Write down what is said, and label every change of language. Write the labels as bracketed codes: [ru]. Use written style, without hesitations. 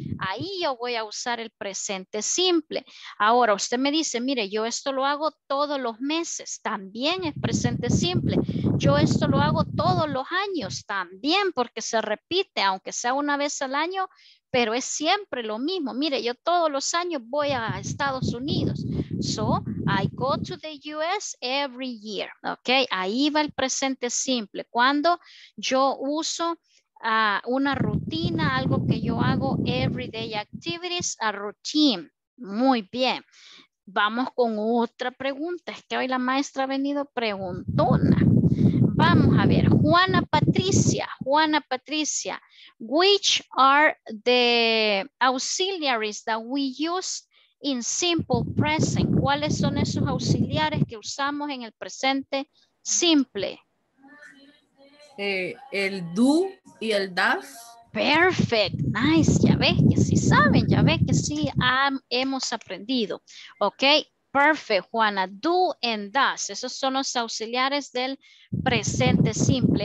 [es] Ahí yo voy a usar el presente simple. Ahora usted me dice, mire, yo esto lo hago todos los meses, también es presente simple. Yo esto lo hago todos los años, también, porque se repite, aunque sea una vez al año, pero es siempre lo mismo. Mire, yo todos los años voy a Estados Unidos. [en] So, I go to the US every year. [es] Ok, ahí va el presente simple. Cuando yo uso una rutina, algo que yo hago, [en] everyday activities, a routine. [es] Muy bien. Vamos con otra pregunta. Es que hoy la maestra ha venido preguntona. Vamos a ver, [en] Juana Patricia, which are the auxiliaries that we use in simple present? [es] ¿Cuáles son esos auxiliares que usamos en el presente simple? El do y el does. [en] Perfect, nice, [es] ya ves que sí saben, ya ves que sí hemos aprendido. [en] Ok. Perfect, [es] Juana. Do and does. Esos son los auxiliares del presente simple.